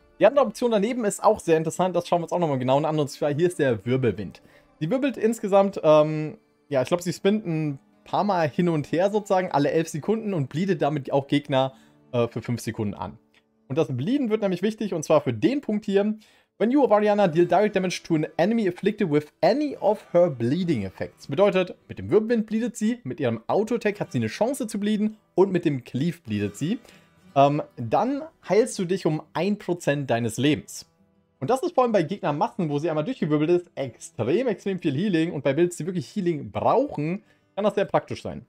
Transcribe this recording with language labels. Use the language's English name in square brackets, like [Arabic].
[German] Die andere Option daneben ist auch sehr interessant. Das schauen wir uns auch nochmal genau an. Und zwar hier ist der Wirbelwind. Die wirbelt insgesamt, ja, ich glaube, sie spinnt ein paar Mal hin und her sozusagen, alle 11 Sekunden und bleedet damit auch Gegner für 5 Sekunden an. Und das Bleeden wird nämlich wichtig, und zwar für den Punkt hier. [English] When you or Varianna deal direct damage to an enemy afflicted with any of her bleeding effects. [German] Bedeutet, mit dem Wirbelwind bleedet sie, mit ihrem Auto-Attack hat sie eine Chance zu bleeden und mit dem Cleave bleedet sie. Dann heilst du dich um 1% deines Lebens. Und das ist vor allem bei Gegnermassen, wo sie einmal durchgewirbelt ist, extrem, extrem viel Healing. Und bei Builds, die wirklich Healing brauchen, kann das sehr praktisch sein.